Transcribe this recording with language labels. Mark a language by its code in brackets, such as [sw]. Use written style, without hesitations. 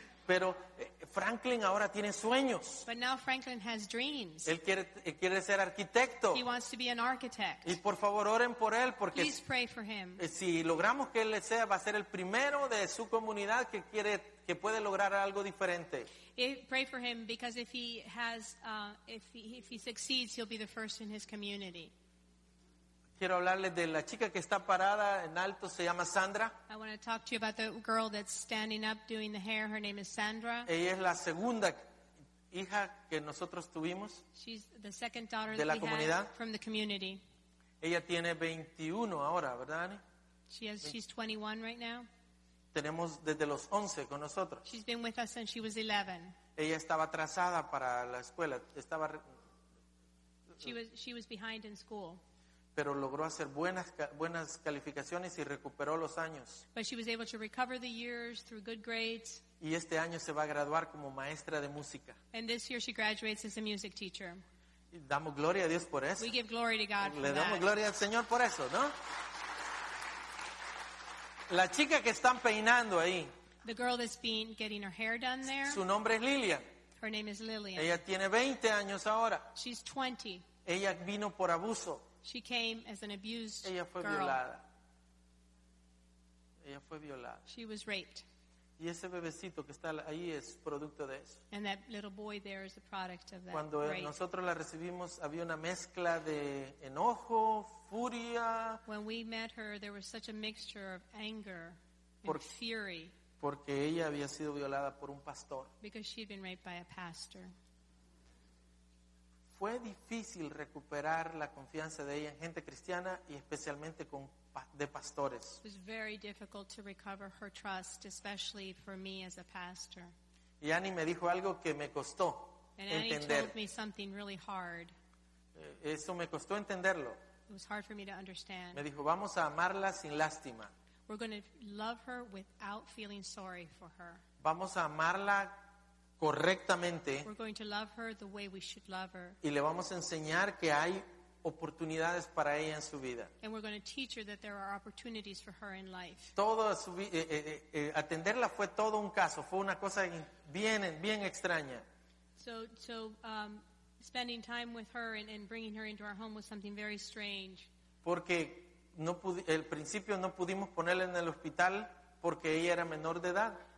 [es] Pero Franklin ahora tiene sueños. [en] But now Franklin has dreams. [es] Él quiere ser arquitecto. [en] He wants to be an architect. [es] Y por favor oren por él porque [en] please pray for him. [es] Si logramos que él sea, va a ser el primero de su comunidad que puede lograr algo diferente. [en] Pray for him because if he has if he succeeds, he'll be the first in his community. [es] Quiero hablarles de la chica que está parada en alto, se llama Sandra. [en] I want to talk to you about the girl that's standing up doing the hair. Her name is Sandra. [es] Ella es la segunda hija que nosotros tuvimos. [en] She's the second daughter [es] de la [en] that we [es] comunidad. [en] Had from the community. [es] Ella tiene 21 ahora, ¿verdad, Annie? [en] She's 21 right now. [es] Tenemos desde los 11 con nosotros. [en] She's been with us since she was 11. [es] Ella estaba atrasada para la escuela. Estaba. [en] She was behind in school. [es] Pero logró hacer buenas calificaciones y recuperó los años. [en] But she was able to recover the years through good grades. [es] Y este año se va a graduar como maestra de música. [en] And this year she graduates as a music teacher. [es] Y damos gloria a Dios por eso. [en] We give glory to God. [es] Le [en] for [es] damos [en] that. [es] Gloria al Señor por eso, ¿no? La chica que están peinando ahí. [en] The girl that's been getting her hair done there. [es] Su nombre es Lilian. [en] Her name is Lilian. [es] Ella tiene 20 años ahora. [en] She's 20. [es] Ella vino por abuso. [en] She came as an abused [es] ella fue [en] girl. [es] Violada. Ella fue violada. [en] She was raped. [es] Y ese bebecito que está ahí es producto de eso. [en] And that little boy there is a product of that [es] Cuando [en] rape. [es] Cuando nosotros la recibimos, había una mezcla de enojo, furia. [en] When we met her, there was such a mixture of anger and fury. [es] Porque ella había sido violada por un pastor. [en] Because she had been raped by a pastor. [es] Fue difícil recuperar la confianza de ella en gente cristiana y especialmente de pastores. [en] It was very difficult to recover her trust, especially for me as a pastor. [es] Y Annie me dijo algo que me costó entender. [en] And Annie told me something really hard. [es] Eso me costó entenderlo. [en] It was hard for me to understand. [es] Me dijo, vamos a amarla sin lástima. [en] We're going to love her without feeling sorry for her. [es] Vamos a amarla correctamente. [en] We're going to love her the way we should love her. [es] Y le vamos a enseñar que hay oportunidades para ella en su vida. [en] And we're going to teach her that there are opportunities for her in life. [es] Todo su atenderla fue todo un caso, fue una cosa bien extraña. [en] So spending time with her and bringing her into our home was something very strange. [es] Porque al principio no pudimos ponerla en el hospital porque ella era menor de edad.